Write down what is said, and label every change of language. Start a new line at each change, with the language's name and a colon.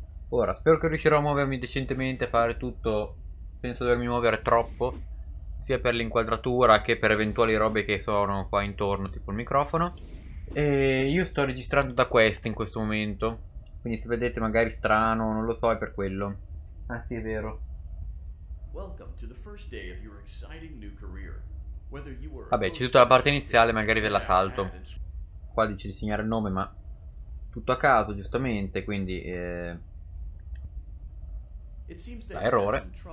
Italian: Ora, spero che riuscirò a muovermi decentemente, fare tutto senza dovermi muovere troppo, sia per l'inquadratura che per eventuali robe che sono qua intorno, tipo il microfono. E io sto registrando da questo in questo momento. Quindi se vedete magari strano, non lo so, è per quello. Ah sì, è vero.
English: Welcome to the first day of your exciting new career.
Italian: Vabbè, c'è tutta la parte iniziale, magari ve la salto. Qua dice di segnare il nome, ma tutto a caso, giustamente, quindi errore.